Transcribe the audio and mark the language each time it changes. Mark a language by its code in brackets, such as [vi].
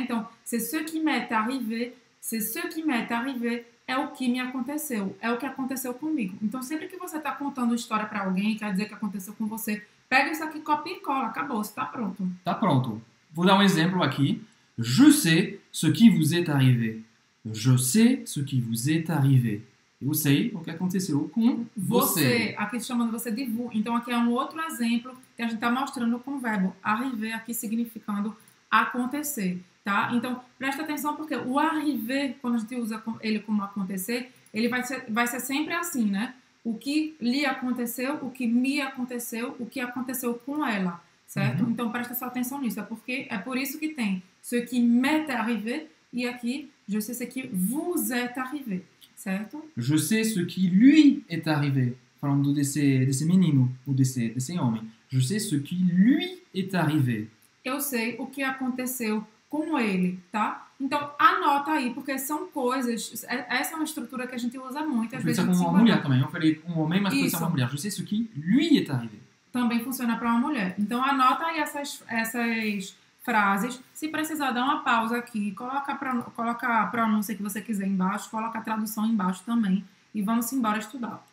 [pt] Então, [fr] c'est ce qui m'est arrivé, [pt] c'est ce qui m'est arrivé, é o que me aconteceu, é o que aconteceu comigo. Então, sempre que você está contando história para alguém, quer dizer que aconteceu com você, pega isso aqui, copia e cola, acabou, você está pronto. Está pronto. Vou dar um exemplo aqui. [fr] Je sais ce qui vous est arrivé. Je sais ce qui vous est arrivé. [pt] Eu sei o que aconteceu com você. Você, aqui chamando você de vous. Então, aqui é um outro exemplo que a gente está mostrando com o verbo arriver, aqui significando acontecer, tá? Então, presta atenção porque o arriver, quando a gente usa ele como acontecer, ele vai ser sempre assim, né? O que lhe aconteceu, o que me aconteceu, o que aconteceu com ela, certo? Uhum. Então, presta atenção nisso. É por isso que tem [fr] ce qui m'est arrivé [pt] e aqui, [fr] je sais ce qui vous est arrivé. [pt] Certo? [fr] Je sais ce qui lui est arrivé. [pt] Falando desse menino ou desse homem. [fr] Je sais ce qui lui est arrivé. [pt] Eu sei o que aconteceu com ele, tá? Então, anota aí, porque são coisas... Essa é uma estrutura que a gente usa muito. Pode ser com uma mulher também. Eu falei com um homem, mas pode ser uma mulher. [fr] Je sais ce qui lui est arrivé. [pt] Também funciona para uma mulher. Então, anota aí essas frases, se precisar dar uma pausa aqui, coloca a pronúncia que você quiser embaixo, coloca a tradução embaixo também, e vamos embora estudar.